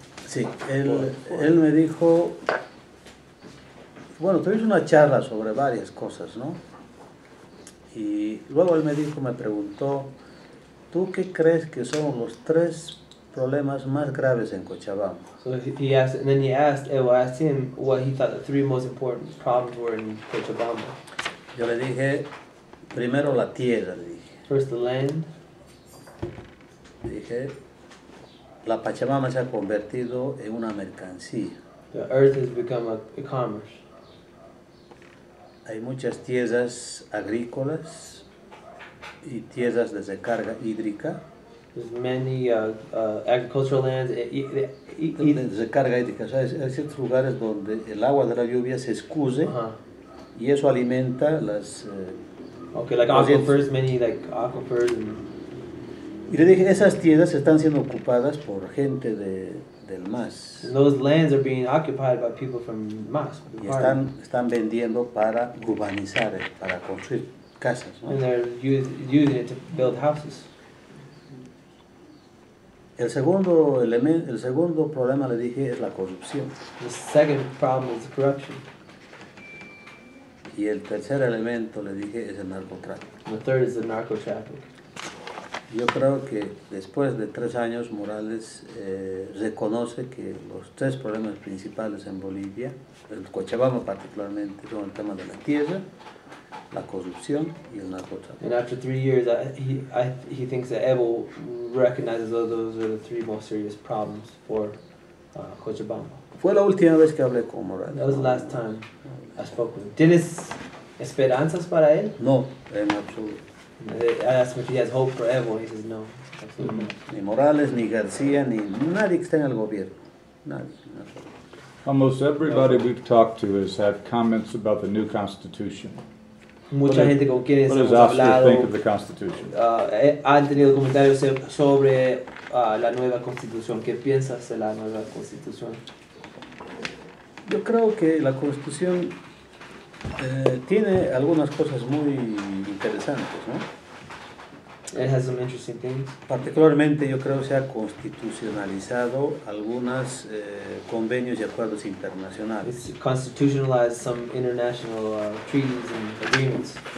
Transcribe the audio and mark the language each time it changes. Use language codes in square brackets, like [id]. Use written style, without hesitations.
[es] Sí, él me dijo, bueno, tuvimos una charla sobre varias cosas, ¿no? Y luego él me preguntó, ¿tú qué crees que son los tres problemas más graves en Cochabamba? [en] So he asked him what he thought the three most important problems were in Cochabamba. [es] Yo le dije, primero la tierra, le dije. [en] First the land. [es] Le dije, la Pachamama se ha convertido en una mercancía. [en] The earth has become a commerce. [es] Hay muchas tierras agrícolas y tierras de recarga hídrica. [en] There's many agricultural lands. [es] Recarga hídrica, o sea, hay ciertos lugares donde el agua de la lluvia se escuse, uh-huh, y eso alimenta las. [en] Okay, like aquifers, many like aquifers. And [es] Y le dije, esas tierras están siendo ocupadas por gente de del MAS. [en] And those lands are being occupied by people from MAS. [es] Y están vendiendo para urbanizar, para construir casas, ¿no? [en] And they're using it to build houses. [es] El segundo elemento, el segundo problema, le dije, es la corrupción. [en] The second problem is corruption. [es] Y el tercer elemento, le dije, es el narcotráfico. [en] And the third is the narcotraffic. [es] Yo creo que después de 3 años, Morales reconoce que los 3 problemas principales en Bolivia, el Cochabamba particularmente, son el tema de la tierra, la corrupción y el narcotráfico. [en] And after 3 years, he thinks that Evo recognizes that those are the 3 most serious problems for Cochabamba. [es] Fue la última vez que hablé con Morales. [en] That was the last time I spoke with him. [es] ¿Tienes esperanzas para él? No, en absoluto. [en] I asked him if he has hope for Evo, and he says no, absolutely not. [es] Ni Morales, ni García, ni nadie que está en el gobierno. Nadie. [en] Almost everybody we've talked to has had comments about the new constitution. [es] Mucha gente con quien hemos hablado. [en] What does Oscar think of the constitution? [es] Han tenido comentarios sobre la nueva constitución. ¿Qué piensas de la nueva constitución? Yo creo que la constitución tiene algunas cosas muy interesantes, ¿no? [en] It has some interesting things. [es] Particularmente, yo creo que se ha constitucionalizado algunos convenios y acuerdos internacionales. [en] It's constitutionalized some international treaties and agreements.